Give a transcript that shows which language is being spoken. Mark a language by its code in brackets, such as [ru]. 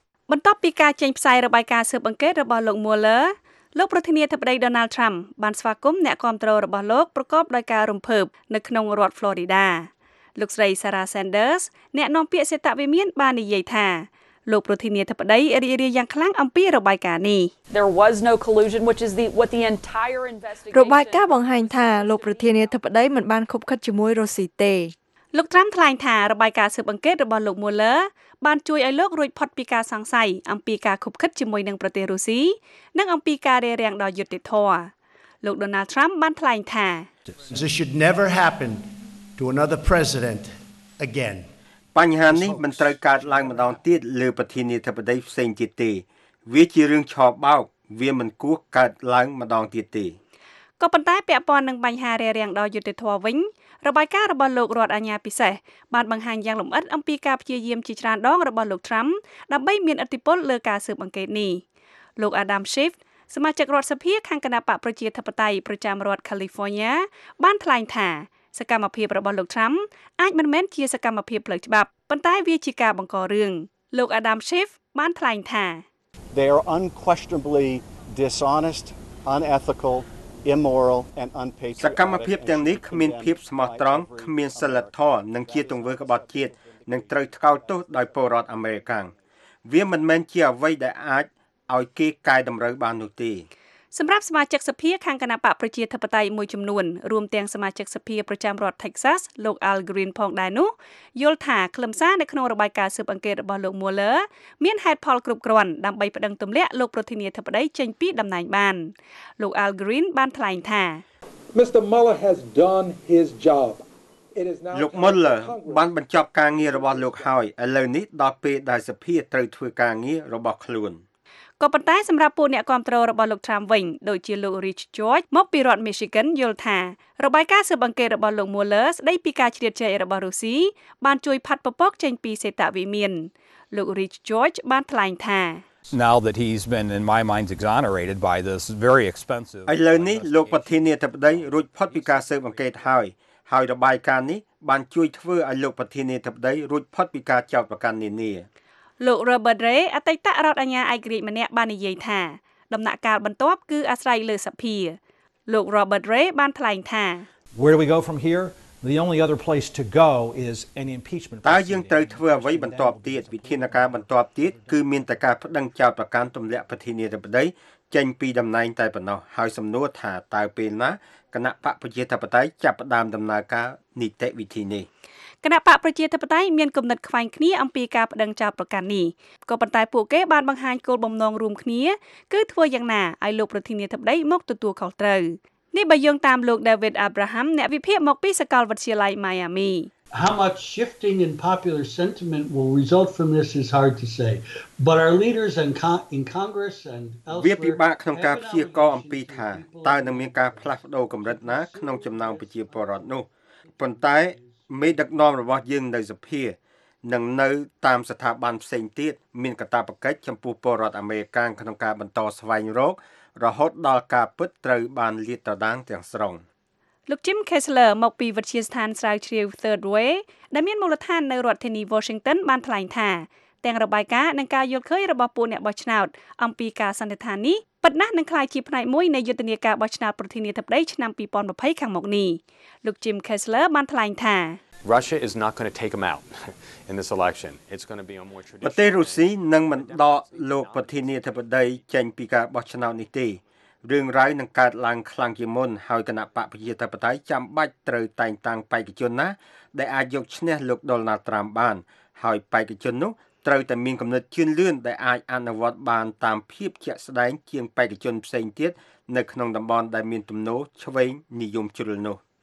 [km] បន្ទាប់ពីការចេញផ្សាយរបាយការណ៍ស៊ើបអង្កេតរបស់លោក Mueller លោកប្រធានាធិបតី Donald Trump បានស្វាគមន៍អ្នកគាំទ្ររបស់លោកប្រកបដោយការរំភើបនៅក្នុងរដ្ឋ Florida លោកស្រី Sarah Sanders អ្នកនាំពាក្យសេដ្ឋវិមានបាននិយាយថាលោកប្រធានាធិបតីរីករាយយ៉ាងខ្លាំងអំពីរបាយការណ៍នេះ [en] There was no collusion which is the what the entire investigation [km] របាយការណ៍បង្ហាញថាលោកប្រធានាធិបតីមិនបានខុបខិតជាមួយរុស្ស៊ីទេ លោកត្រាំថ្លែងថារបាយការណ៍ស៊ើបអង្កេតរបស់លោក Mueller បានជួយឲ្យលោករួចផុតពីការសង្ស័យអំពីការខុបខិតជាមួយនឹងប្រទេសរុស្ស៊ីនិងអំពីការរារាំងដល់យុត្តិធម៌លោក Donald Trump បានថ្លែងថា [en] This should never happen to another president again [km] បញ្ហានេះមិនត្រូវកើតឡើងម្ដងទៀតលើប្រធានាធិបតីផ្សេងទៀតទេវាជារឿងឆោបោកវាមិនគួរកើតឡើងម្ដងទៀតទេ ក៏ប៉ុន្តែពាក់ព័ន្ធនឹងបញ្ហារារាំងដល់យុត្តិធម៌វិញរបាយការណ៍របស់លោករដ្ឋអាជ្ញាពិសេសបានបង្ហាញយ៉ាងលម្អិតអំពីការព្យាយាមជាច្រើនដងរបស់លោកត្រាំដើម្បីមានឥទ្ធិពលលើការស៊ើបអង្កេតនេះលោក Adam Schiff សមាជិករដ្ឋសភាខាងគណៈបកប្រជាធិបតេយ្យប្រចាំរដ្ឋ California បានថ្លែងថាសកម្មភាពរបស់លោកត្រាំអាចមិនមែនជាសកម្មភាពផ្លូវច្បាប់ប៉ុន្តែវាជាការបង្ករឿងលោក Adam Schiff បានថ្លែងថា [en] They are unquestionably dishonest, unethical,immoral and unpatriotic [km] សកម្មភាពទាំងនេះគ្មានភាពស្មោះត្រង់គ្មានសីលធម៌និងជាទង្វើក្បត់ជាតិនិងត្រូវថ្កោលទោសដោយពលរដ្ឋអាមេរិកវាមិនមែនជាអ្វីដែលអាចឲ្យគេកែតម្រូវបាននោះទេ សម្រាប់សមាជិកសភាខាងគណៈបកប្រជាធិបតេយ្យមួយចំនួនរួមទាំងសមាជិកសភាប្រចាំរដ្ឋ Texas លោក Al Green ផងដែរនោះយល់ថាខ្លឹមសារនៅក្នុងរបាយការណ៍ស៊ើបអង្កេតរបស់លោក Mueller មានហេតុផលគ្រប់គ្រាន់ដើម្បីប្តឹងទម្លាក់លោកប្រធានាធិបតីចេញពីតំណែងបានលោក Al Green បានថ្លែងថា [en] Mr. Mueller has done his job It is now [km] លោក Mueller បានបញ្ចប់ការងាររបស់លោកហើយឥឡូវនេះដល់ពេលដែលសភាត្រូវធ្វើការងាររបស់ខ្លួន ក៏ប៉ុន្តែសម្រាប់ពួកអ្នកគាំទ្ររបស់លោកត្រាំវិញដូចជាលោក Rich George មកពីរដ្ឋ Michigan យល់ថារបាយការណ៍ស៊ើបអង្កេតរបស់លោក Mueller ស្ដីពីការជ្រៀតជ្រែករបស់រុស្ស៊ីបានជួយផាត់ពពកចេញពីសេតវិមានលោក Rich George បានថ្លែងថា [en] Now that he's been in my mind exonerated by this very expensive [km] ឥឡូវនេះលោកប្រធានាធិបតីរួចផុតពីការស៊ើបអង្កេតហើយហើយរបាយការណ៍នេះបានជួយធ្វើឲ្យលោកប្រធានាធិបតីរួចផុតពីការចោទប្រកាន់នានា លោក Robert Ray អតីតរដ្ឋអាជ្ញាអៃក្រិចម្នាក់បាននិយាយថាដំណាក់កាលបន្ទាប់គឺអាស្រ័យលើសភាលោក Robert Ray បានថ្លែងថា [en] Where do we go from here? The only other place to go is an impeachment [km] តើយើងត្រូវធ្វើអ្វីបន្ទាប់ទៀតវិធានការបន្ទាប់ទៀតគឺមានតែការប្តឹងចោទប្រកាន់ទម្លាក់ប្រធានាធិបតីចេញពីតំណែងតែប៉ុណ្ណោះហើយសំណួរថាតើពេលណាគណៈបកប្រជាធិបតេយ្យចាប់ផ្ដើមដំណើរការនីតិវិធីនេះ គណៈបកប្រជាធិបតេយ្យមានគំនិតខ្វែងគ្នាអំពីការប្តឹងចោទប្រកាន់នេះក៏ប៉ុន្តែពួកគេបានបង្ហាញគោលបំណងរួមគ្នាគឺធ្វើយ៉ាងណាឲ្យលោកប្រធានាធិបតីមកទទួលខុសត្រូវនេះបើយោងតាមលោក David Abraham អ្នកវិភាគមកពីសាកលវិទ្យាល័យ Miami [en] How much shifting in popular sentiment will result from this is hard to say but our leaders in Congress and elsewhere [km] វាពិបាកក្នុងការព្យាករណ៍អំពីថាតើនឹងមានការផ្លាស់ប្តូរកម្រិតណាក្នុងចំណោមប្រជាពលរដ្ឋនោះប៉ុន្តែមេដឹកនាំរបស់យើងនៅសភានិងនៅតាមស្ថាប័នផ្សេងទៀតមានកាតព្វកិច្ចចំពោះពលរដ្ឋអាមេរិកក្នុងការបន្តស្វែងរករហូតដល់ការពិតត្រូវបានលាតត្រដាងទាំងស្រុង លោក Jim Kessler មកពីវិទ្យាស្ថានស្រាវជ្រាវ Third Way ដែលមានមូលដ្ឋាននៅរដ្ឋធានី Washington បានថ្លែងថាទាំងរបាយការណ៍និងការយល់ឃើញរបស់ពួកអ្នកបោះឆ្នោតអំពីការសន្និដ្ឋាននេះពិតណាស់នឹងក្លាយជាផ្នែកមួយនៃយុទ្ធនាការបោះឆ្នោតប្រធានាធិបតីឆ្នាំ2020ខាងមុខនេះលោក Jim Kessler បានថ្លែងថា [en] Russia is not going to take him out in this election it's going to be a more traditional [km] ប្រទេសរុស្ស៊ីនឹងមិនដកលោកប្រធានាធិបតីចេញពីការបោះឆ្នោតនេះទេរឿងរ៉ាវនឹងកើតឡើងខ្លាំងជាងមុនហើយគណៈបកប្រជាធិបតេយ្យចាំបាច់ត្រូវតែងតាំងបេក្ខជនណាដែលអាចយកឈ្នះលោក Donald Trump បានហើយបេក្ខជននោះត្រូវតែមានគំនិតជឿនលឿនដែលអាចអនុវត្តបានតាមភាពជាក់ស្ដែងជាងបេក្ខជនផ្សេងទៀតនៅក្នុងតំបន់ដែលមានទំនោរឆ្វេងនិយមជ្រុលនោះ